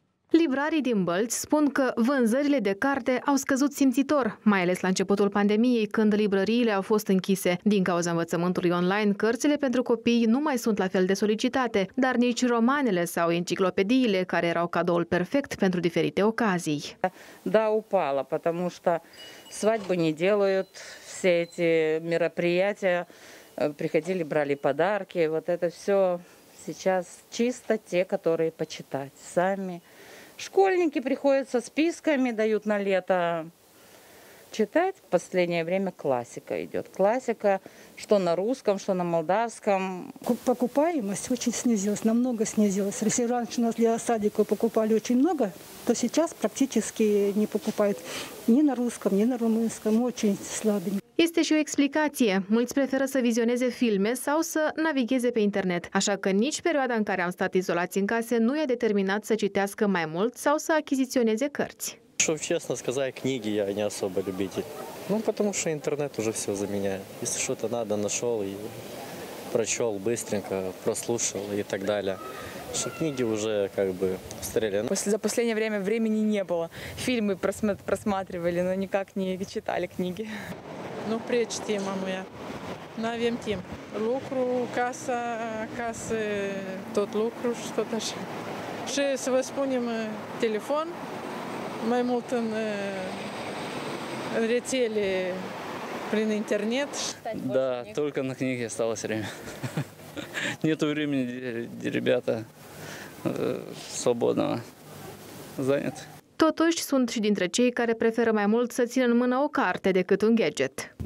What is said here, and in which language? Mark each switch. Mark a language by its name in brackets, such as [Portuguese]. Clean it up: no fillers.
[Romanian] Librarii din Bălți spun că vânzările de carte au scăzut simțitor, mai ales la începutul pandemiei, când librăriile au fost închise. Din cauza învățământului online, cărțile pentru copii nu mai sunt la fel de solicitate, dar nici romanele sau enciclopediile, care erau cadoul perfect pentru diferite ocazii. Da, upala, pentru că [Russian] свадьбы не делают, все эти мероприятия, приходили, брали подарки, вот это все сейчас чисто те, которые почитать сами. Школьники приходят со списками, дают на лето читать, в последнее время классика идет. Классика, что на русском, что на молдавском. Покупаемость очень снизилась, намного снизилась. Если раньше у нас для садика покупали очень много, то сейчас практически не покупают ни на русском, ни на румынском, очень слабенько. [Romanian] Este și o explicație. Mulți preferă să vizioneze filme sau să navigheze pe internet. Așa că nici perioada în care am stat izolați în case nu i-a determinat să citească mai mult sau să achiziționeze cărți. [Russian] Чтобы честно сказать, книги я не особо любитель. Ну, потому что интернет уже все заменяет. Если что-то надо, нашел и прочел быстренько, прослушал и так далее. Что книги уже как бы устарели. За последнее время времени не было. Фильмы просматривали, но никак не читали книги. Ну, пречтим, мама, я. [Romanian] N-avem timp. Lucru, casa, acasă, tot lucru și tot așa. Și să vă spunem, telefon, mai mult în rețele, prin internet. Da, tolka na knihe stalo se vremea. [Russian] Нету времени, ребята, свободного, занят. [Romanian] Totuși, sunt și dintre cei care preferă mai mult să țină în mână o carte decât un gadget.